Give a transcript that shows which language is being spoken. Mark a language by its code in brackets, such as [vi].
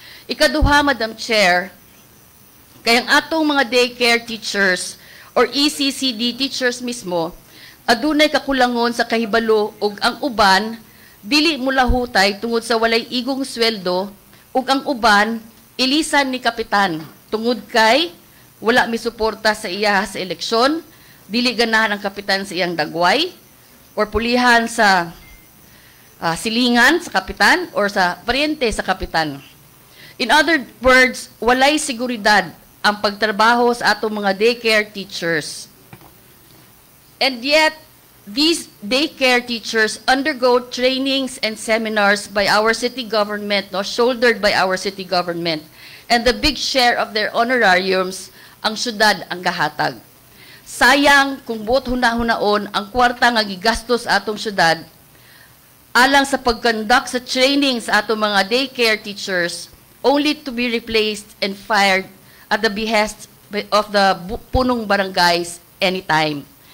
[ceb] Ikaduha, Madam Chair, kay ang atong mga daycare teachers or ECCD teachers mismo adunay kakulangon sa kahibalo ug ang uban dili mulahutay tungod sa walay igong sweldo ug ang uban ilisan ni kapitan tungod kay wala misuporta sa iya sa eleksyon, dili ganahan ang kapitan sa iyang dagway or pulihan sa silingan sa kapitan or sa paryente sa kapitan. [en] In other words, [ceb] walay seguridad ang pagtrabaho sa atong mga daycare teachers. [en] And yet, these daycare teachers undergo trainings and seminars by our city government, no, shouldered by our city government. And the big share of their honorariums, [ceb] ang syudad ang gahatag. Sayang kung buot hunahunaon ang kwarta nga gigastos atong syudad, alang sa pag-conduct sa trainings atong mga daycare teachers, [en] only to be replaced and fired at the behest of the punong barangays anytime.